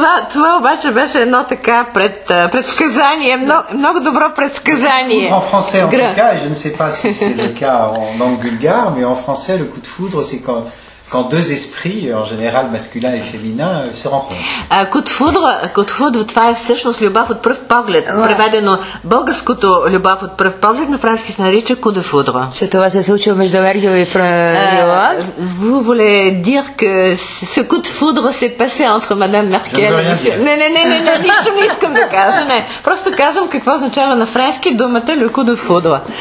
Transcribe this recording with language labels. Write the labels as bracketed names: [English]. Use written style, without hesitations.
[Bulgarian] Това обаче беше едно така предсказание. Много добро предсказание. [French] En français, en tout cas, je ne sais pas si c'est en langue bulgare, mais en français, le coup de foudre, c'est quand deux esprits, en général masculin et féminin, se rencontrent. [Bulgarian] Coup de foudre, това е всъщност любов от пръв поглед. Преведено българското любов от пръв поглед, на франски се нарича coup de foudre. Че това се случва между Мергел и Франсуа? [French] Vous voulez dire que ce coup de foudre s'est passé entre Madame Merkel? [Bulgarian] Не, нищо не искам да кажа. Не. Просто казвам какво означава на френски думата le coup de foudre.